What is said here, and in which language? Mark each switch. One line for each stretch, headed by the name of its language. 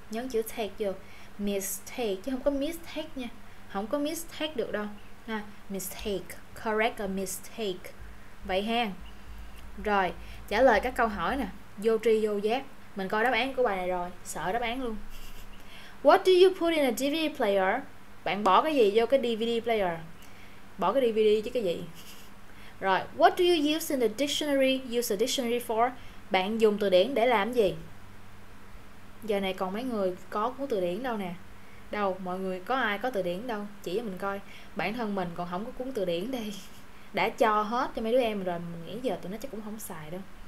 Vietnamese: Nhấn chữ take vô. Mistake, chứ không có mistake nha. Không có mistake được đâu.
English: ha, mistake, correct a mistake. Vậy ha.
Vietnamese: Rồi, trả lời các câu hỏi nè, vô tri vô giác. Mình coi đáp án của bài này rồi, sợ đáp án luôn.
English: What do you put in a DVD player?
Vietnamese: Bạn bỏ cái gì vô cái DVD player? Bỏ cái DVD chứ cái gì?
English: Rồi, what do you use in the dictionary? Use a dictionary for?
Vietnamese: Bạn dùng từ điển để làm gì? Giờ này còn mấy người có cuốn từ điển đâu nè? Đâu, mọi người có ai có từ điển đâu? Chỉ cho mình coi. Bản thân mình còn không có cuốn từ điển đây. Đã cho hết cho mấy đứa em rồi, mình nghĩ giờ tụi nó chắc cũng không xài đâu.